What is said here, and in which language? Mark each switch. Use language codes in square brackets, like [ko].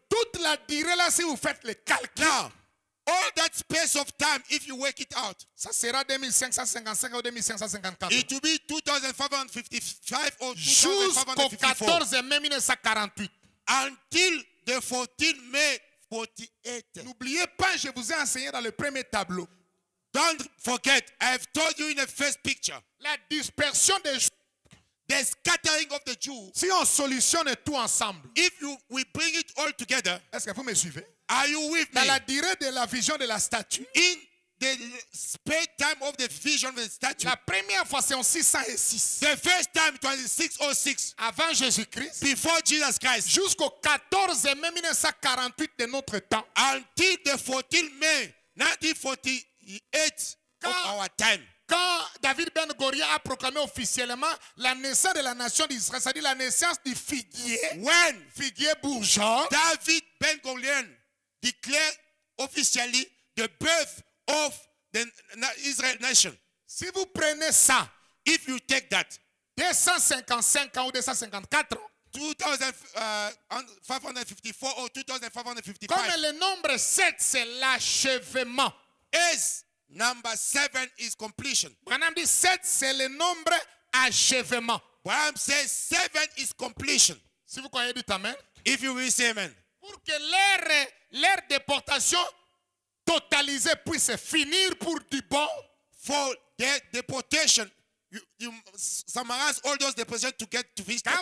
[fr] Toute la durée là, si vous faites les calculs. [en] Now, all that space of time, if you work it out, [fr] ça sera 2555 ou 2554. [en] It will be 2555 or 2554. [fr] Jusqu'au 14 mai 1948. [en] Until the 14 May 48. [fr] N'oubliez pas, je vous ai enseigné dans le premier tableau. [en] Don't forget, I've told you in the first picture. [fr] La dispersion des [en] the scattering of the Jews. [fr] Si on solutionne tout ensemble. [en] If you we bring it all together. [fr] Est-ce que vous me suivez? [en] Are you with me? [fr] Dans la durée de la vision de la statue. [en] In the spare time of the vision of the statue. [fr] La première fois c'est en 606. [en] The first time it was in 606. [fr] Avant Jésus-Christ. [en] Before Jesus Christ. [fr] Jusqu'au 14 mai 1948 de notre temps. [en] Until the 14 May 1948 [fr] quand, [en] of our time. [fr] Quand David Ben-Gurion a proclamé officiellement la naissance de la nation d'Israël, c'est-à-dire la naissance du figuier. [en] When [fr] figuier bourgeon. [en] David Ben-Gurion declared officially the birth of the Israel nation. [fr] Si vous prenez ça, [en] if you take that, [fr] 255 ans ou 254 ans, [en] 2554 or 2555. [fr] Comme le nombre 7, c'est l'achèvement. [en] Is number 7 is completion. [fr] Branham dit 7, c'est le nombre achèvement. [en] Branham says 7 is completion. [fr] Si vous croyez, dites amen. [en] If you will say amen. [fr] Pour que l'ère déportation totalisée puisse finir pour du bon. [en] For the deportation, you summarize all those deportations to get to finish totally.